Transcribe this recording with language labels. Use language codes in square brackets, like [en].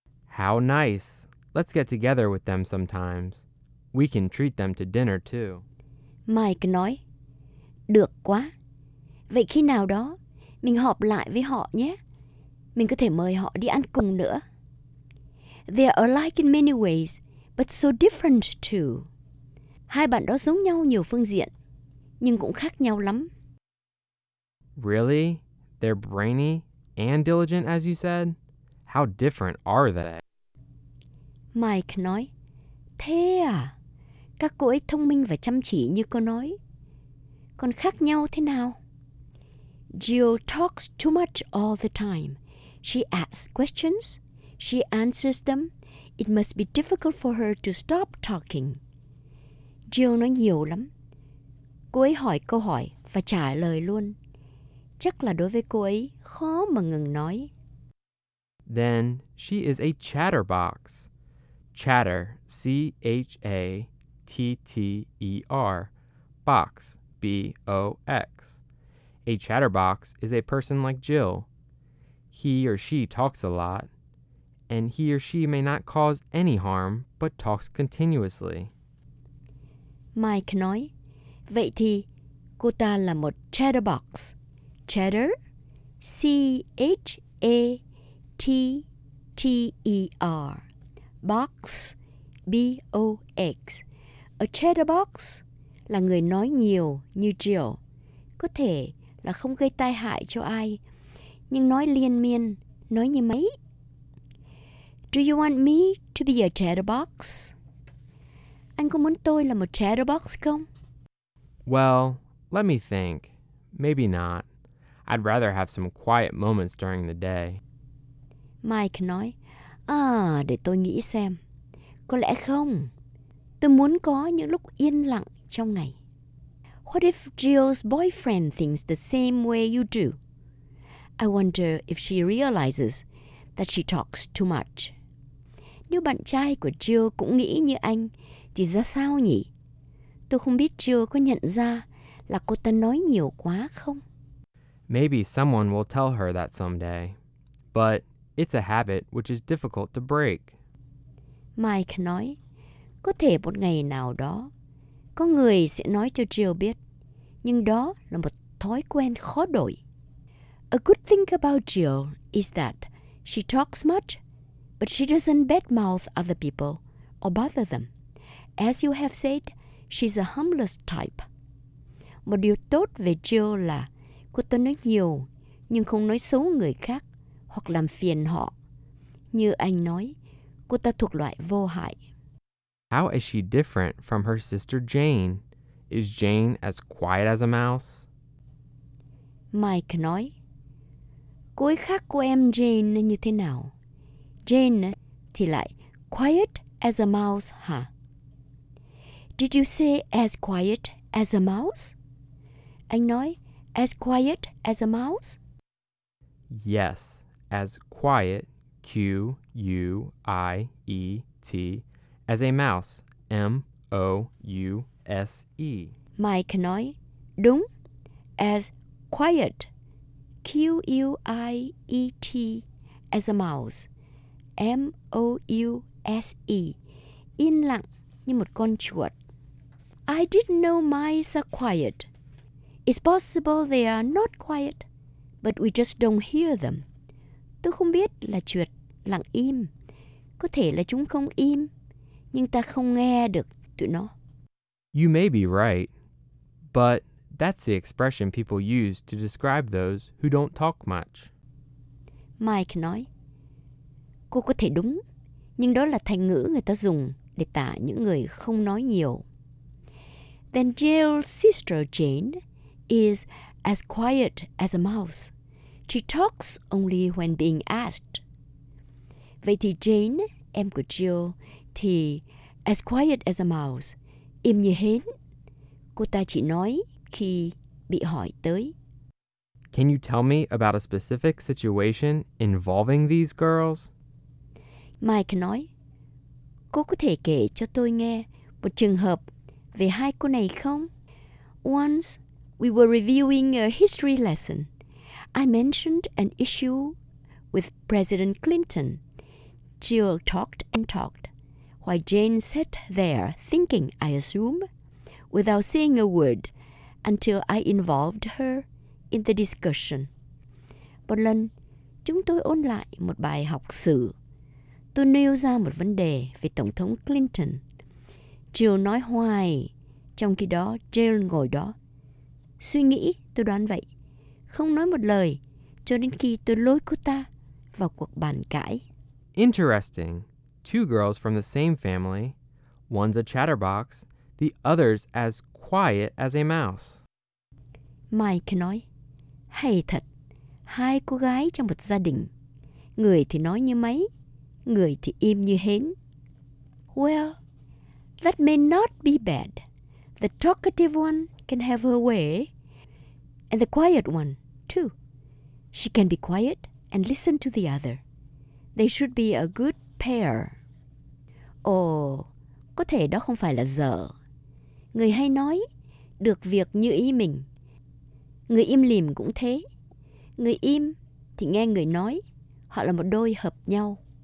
[en] How nice. Let's get together with them sometimes. We can treat them to dinner too. [vi] Mike nói, được quá. Vậy khi nào đó, mình họp lại với họ nhé. Mình có thể mời họ đi ăn cùng nữa. [en] They are alike in many ways, but so different too. [vi] Hai bạn đó giống nhau nhiều phương diện, nhưng cũng khác nhau lắm. [en] Really? They're brainy and diligent, as you said? How different are they? [vi] Mike nói, thế à? Các cô ấy thông minh và chăm chỉ như cô nói. Còn khác nhau thế nào? [en] Jill talks too much all the time. She asks questions. She answers them. It must be difficult for her to stop talking. [vi] Jill nói nhiều lắm. Cô ấy hỏi câu hỏi và trả lời luôn. Chắc là đối với cô ấy khó mà ngừng nói. [en] Then she is a chatterbox. Chatter, C-H-A-T-T-E-R. Box, B-O-X. A chatterbox is a person like Jill. He or she talks a lot, and he or she may not cause any harm, but talks continuously. [vi] Mike nói, vậy thì cô ta là một chatterbox. [en] Chatter, C-H-A-T-T-E-R. Box, B-O-X. [vi] A chatterbox là người nói nhiều như Jill. Có thể là không gây tai hại cho ai, nhưng nói liên miên, nói như máy. [en] Do you want me to be a chatterbox? [vi] Anh có muốn tôi là một chatterbox không? [en] Well, let me think. Maybe not. I'd rather have some quiet moments during the day. [vi] Mike nói, à, để tôi nghĩ xem. Có lẽ không. Tôi muốn có những lúc yên lặng trong ngày. [en] What if Jill's boyfriend thinks the same way you do? I wonder if she realizes that she talks too much. [vi] Nếu bạn trai của Jill cũng nghĩ như anh, thì ra sao nhỉ? Tôi không biết Jill có nhận ra là cô ta nói nhiều quá không? [en] Maybe someone will tell her that someday. But it's a habit which is difficult to break. [vi] Mike nói, có thể một ngày nào đó, có người sẽ nói cho Jill biết, nhưng đó là một thói quen khó đổi. [en] A good thing about Jill is that she talks much, but she doesn't badmouth other people or bother them. As you have said, she's a humble type. [vi] Một điều tốt về Jill là cô ta nói nhiều, nhưng không nói xấu người khác hoặc làm phiền họ. Như anh nói, cô ta thuộc loại vô hại. [en] How is she different from her sister Jane? Is Jane as quiet as a mouse? [vi] Mike nói, cô ấy khác cô em Jane như thế nào? Jane thì lại [en] quiet as a mouse, [vi] hả? Huh? [en] Did you say as quiet as a mouse? [vi] Anh nói, [en] as quiet as a mouse? Yes, as quiet, quiet, as a mouse, mouse. [vi] Mike nói, đúng, [en] as quiet, quiet, as a mouse, mouse, [vi] yên lặng như một con chuột. [en] I didn't know mice are quiet. It's possible they are not quiet, but we just don't hear them. [vi] Tôi không biết là chuột lặng im. Có thể là chúng không im, nhưng ta không nghe được tụi nó. [en] You may be right, but that's the expression people use to describe those who don't talk much. [vi] Mike nói, cô có thể đúng, nhưng đó là thành ngữ người ta dùng để tả những người không nói nhiều. [en] Then Jill's sister Jane is as quiet as a mouse. She talks only when being asked. [vi] Vậy thì Jane, em của Jill, thì [en] as quiet as a mouse, [vi] im như hến. Cô ta chỉ nói khi bị hỏi tới. [en] Can you tell me about a specific situation involving these girls? [vi] Mike nói, cô có thể kể cho tôi nghe một trường hợp về hai cô này không? [en] Once, we were reviewing a history lesson. I mentioned an issue with President Clinton. Jill talked and talked, while Jane sat there thinking, I assume, without saying a word, until I involved her in the discussion. [vi] Một lần, chúng tôi ôn lại một bài học sử. Tôi nêu ra một vấn đề về Tổng thống Clinton. Jill nói hoài, trong khi đó Jill ngồi đó. Suy nghĩ, tôi đoán vậy. Không nói một lời, cho đến khi tôi lôi cô ta vào cuộc bàn cãi. [en] Interesting. Two girls from the same family. One's a chatterbox. The other's as quiet as a mouse. [vi] Mike nói, hay thật. Hai cô gái trong một gia đình. Người thì nói như máy, người thì im như hến. [en] Well, that may not be bad. The talkative one can have her way, and the quiet one, too. She can be quiet and listen to the other. They should be a good pair. [vi] Oh, có thể đó không phải là dở. Người hay nói, được việc như ý mình. Người im lìm cũng thế. Người im thì nghe người nói, họ là một đôi hợp nhau.